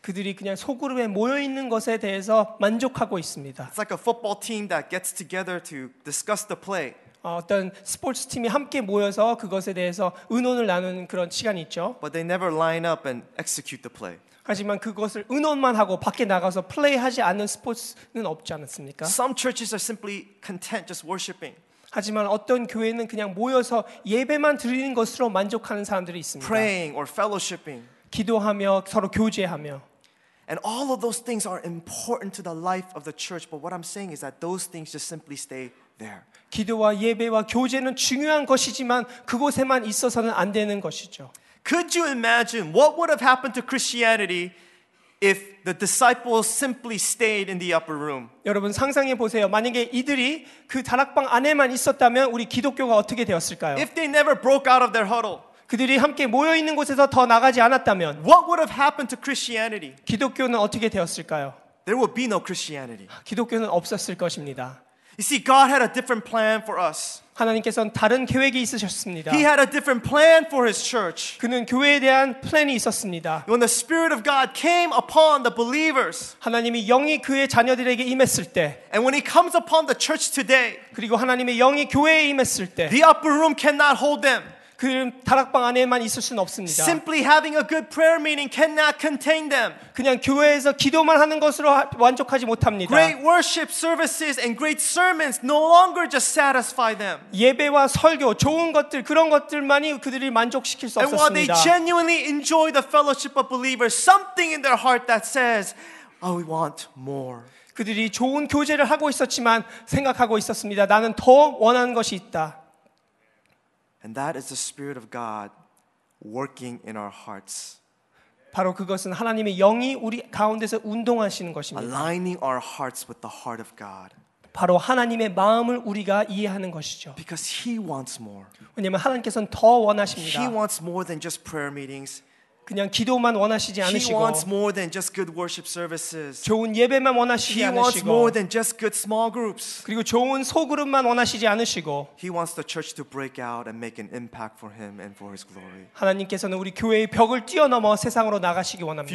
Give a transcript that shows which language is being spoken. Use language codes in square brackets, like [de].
[ko] 그들이 그냥 소그룹에 모여 있는 것에 대해서 만족하고 있습니다. [en] It's like a football team that gets together to discuss the play. [ko] 어떤 스포츠 팀이 함께 모여서 그것에 대해서 의논을 나누는 그런 시간이 있죠. [en] But they never line up and execute the play. [ko] 하지만 그것을 의논만 하고 밖에 나가서 플레이하지 않는 스포츠는 없지 않습니까? [en] Some churches are simply content just worshiping. [ko] 하지만 어떤 교회는 그냥 모여서 예배만 드리는 것으로 만족하는 사람들이 있습니다. [en] Praying or fellowshipping. [ko] 기도하며 서로 교제하며. [en] And all of those things are important to the life of the church. But what I'm saying is that those things just simply stay there. [ko] 기도와 예배와 교제는 중요한 것이지만 그곳에만 있어서는 안 되는 것이죠. [en] Could you imagine what would have happened to Christianity if the disciples simply stayed in the upper room? [ko] 여러분 상상해 보세요. 만약에 이들이 그 다락방 안에만 있었다면 우리 기독교가 어떻게 되었을까요? [en] If they never broke out of their huddle. [ko] 그들이 함께 모여 있는 곳에서 더 나가지 않았다면 [en] what would have happened to Christianity? [ko] 기독교는 어떻게 되었을까요? [en] There would be no Christianity. [ko] 기독교는 없었을 것입니다. [en] You see, God had a different plan for us. [ko] 하나님께서는 다른 계획이 있으셨습니다. [en] He had a different plan for His church. [ko] 그는 교회에 대한 플랜이 있었습니다. [en] When the Spirit of God came upon the believers, [ko] 하나님이 영이 그의 자녀들에게 임했을 때, [en] and when He comes upon the church today, [ko] 그리고 하나님의 영이 교회에 임했을 때, [en] the upper room cannot hold them. [ko] 그 다락방 안에만 있을 수는 없습니다. [en] Simply having a good prayer meeting cannot contain them. [ko] 그냥 교회에서 기도만 하는 것으로 만족하지 못합니다. [en] Great worship services and great sermons no longer just satisfy them. [ko] 예배와 설교 좋은 것들 그런 것들만이 그들이 만족시킬 수 없었습니다. [en] And while they genuinely enjoy the fellowship of believers, something in their heart that says, "I want more." [ko] 그들이 좋은 교제를 하고 있었지만 생각하고 있었습니다. 나는 더 원하는 것이 있다. [en] And that is the Spirit of God working in our hearts. [ko] 바로 그것은 하나님의 영이 우리 가운데서 운동하시는 것입니다. [en] Aligning our hearts with the heart of God. [ko] 바로 하나님의 마음을 우리가 이해하는 것이죠. [en] Because He wants more. [ko] 왜냐하면 하나님께서는 더 원하십니다. [en] He wants more than just prayer meetings. [ko] 그냥 기도만 원하시지 않으시고 [en] He wants more than just good worship services. [ko] 좋은 예배만 원하시지 [en] He [ko] 않으시고 [en] wants more than just good small groups. [ko] 그리고 좋은 소그룹만 원하시지 않으시고 [en] He wants the church to break out and make an impact for him and for his glory. [ko] 하나님께서는 우리 교회의 벽을 뛰어넘어 세상으로 나가시기 원합니다.